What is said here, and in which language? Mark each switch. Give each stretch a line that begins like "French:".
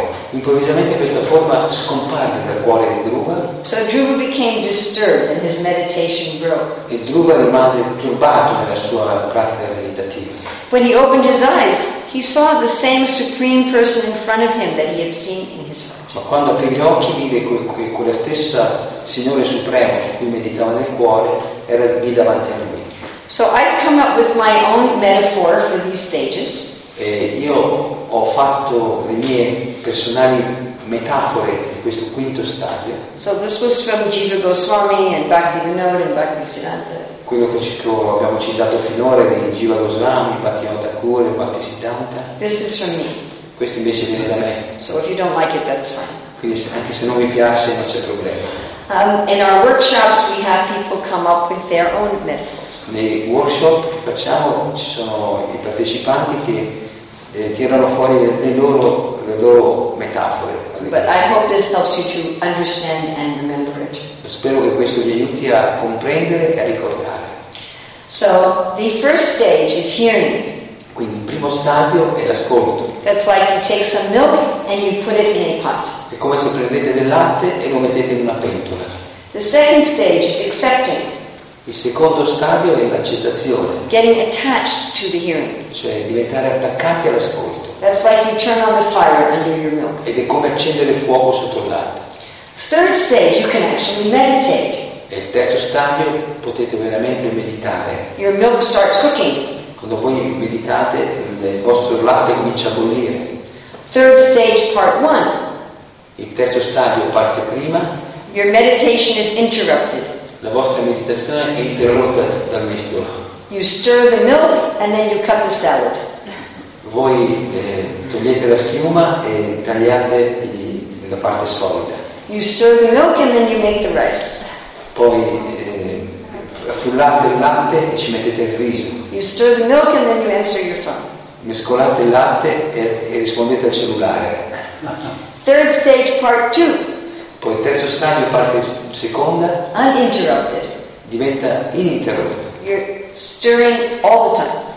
Italian: Improvvisamente questa forma scomparve dal cuore di Dhruva.
English: So Dhruva became disturbed and his meditation broke.
Italian: E Dhruva rimase turbato nella sua pratica meditativa.
English: When he opened his eyes, he saw the same supreme person in front of him that he had seen in his heart.
Italian: Ma quando aprì gli occhi, vide che quella stessa Signore Supremo su cui meditava nel cuore era lì davanti a lui.
English: So I've come up with my own metaphor for these stages.
Italian: E io ho fatto le mie personali metafore di questo quinto stadio.
English: So this was from Jiva Goswami and Bhaktivinoda and Bhaktisiddhanta.
Italian: Quello che abbiamo citato finora di Jiva Goswami, Bhaktivinoda Thakur e Bhaktisiddhanta.
English: This is from me.
Italian: Questo invece viene da me.
English: So if you don't like it, that's fine.
Italian: Quindi anche se non mi piace, non c'è problema.
English: In our workshops, we have people come up with their own metaphors.
Italian: Nei workshop che facciamo, ci sono i partecipanti che tirano fuori le loro metafore.
English: But I hope this helps you to understand and remember it.
Italian: Spero che questo vi aiuti a comprendere e a ricordare.
English: So the first stage is hearing.
Italian: Quindi il primo stadio è l'ascolto.
English: That's like you take some milk and you put it in a pot.
Italian: È come se prendete del latte e lo mettete in una pentola.
English: The second stage is accepting.
Italian: Il secondo stadio è l'accettazione.
English: Getting attached to the hearing.
Italian: Cioè diventare attaccati all'ascolto.
English: That's like you turn on the fire under your milk.
Italian: Ed è come accendere il fuoco sotto il latte.
English: Third stage, you can actually meditate.
Italian: E il terzo stadio potete veramente meditare.
English: Your milk starts cooking.
Italian: Quando voi meditate, il vostro latte comincia a bollire.
English: Third stage, part one.
Italian: Il terzo stadio, parte prima.
English: Your meditation is interrupted.
Italian: La vostra meditazione è interrotta dal maestro.
English: You stir the milk and then you cut the salad.
Italian: Voi togliete la schiuma e tagliate la parte solida.
English: You stir the milk and then you make the rice.
Italian: Poi affullate il latte e ci mettete il riso.
English: You stir the milk and then you answer your phone.
Italian: Mescolate il latte e rispondete al cellulare.
English: Third stage, part two.
Italian: Poi terzo stadio, parte seconda.
English: Uninterrupted.
Italian: Diventa ininterrotto.
English: You're stirring all the time.